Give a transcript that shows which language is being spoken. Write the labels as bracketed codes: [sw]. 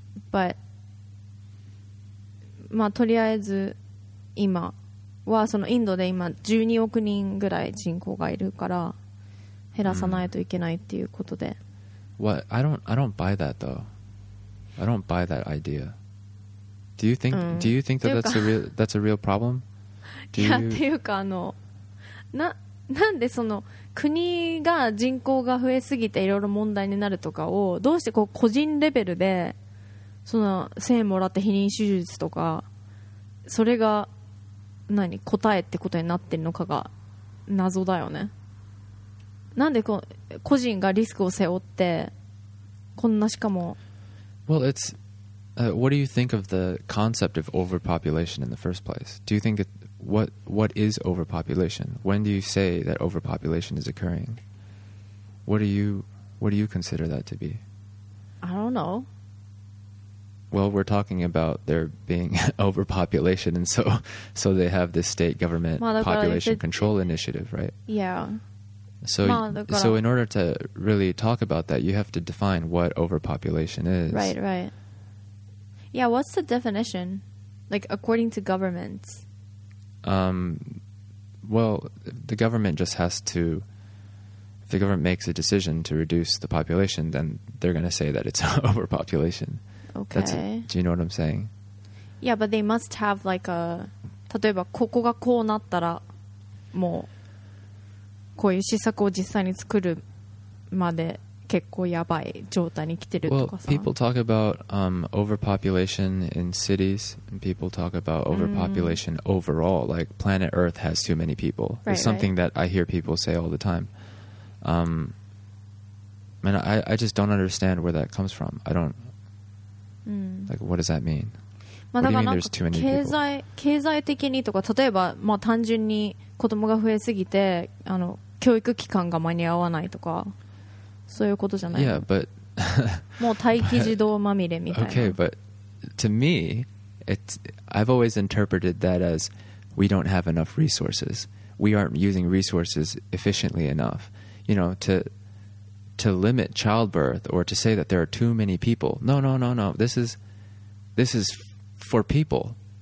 [ja] But まあとりあえず今はそのインドで今12億人ぐらい人口がいるから減らさないといけないっていうことで。 [en] What? I don't buy that though. I don't buy that idea. Do you think,、うん、do you think that that's a real problem? [ja] いや、っていうかあの、なんでその国が人口が増えすぎていろいろ問題になるとかをどうしてこう個人レベルでその精もらって避妊手術とかそれが何答えってことになってるのかが謎だよね。なんでこう個人がリスクを背負ってこんな、しかも [en] Well, it's, what do you think of the concept of overpopulation in the first place? Do you think, what is overpopulation? When do you say that overpopulation is occurring? What do you consider that to be? I don't know. Well, we're talking about there being overpopulation, and so they have this state government population control initiative, right? Yeah. So in order to really talk about that, you have to define what overpopulation is. Right, right. Yeah, what's the definition? Like, according to government? Well, the government just has to... If the government makes a decision to reduce the population, then they're going to say that it's overpopulation. Okay. That's, do you know what I'm saying? Yeah, but they must have like a... [ja] 例えばここがこうなったらもう。こういう施策を実際に作るまで結構やばい状態に来てるとかさ。 [en] Well, people talk about overpopulation in cities, and people talk about overpopulation overall. Like planet Earth has too many people. Right, it's something right. that I hear people say all the time. And I just don't understand where that comes from. I don't. Like, what does that mean? [ja] まあ、だからなんか経済的にとか、例えば、まあ、単純に子供が増えすぎてあの教育機関が間に合わないとかそういうことじゃない。 [en] yeah, but, [ja] もう待機児童まみれみたいな。 [en] Okay, but to me I've always interpreted that as we don't have enough resources, we aren't using resources efficiently enough, you know, to limit childbirth or to say that there are too many people. No, this is for people.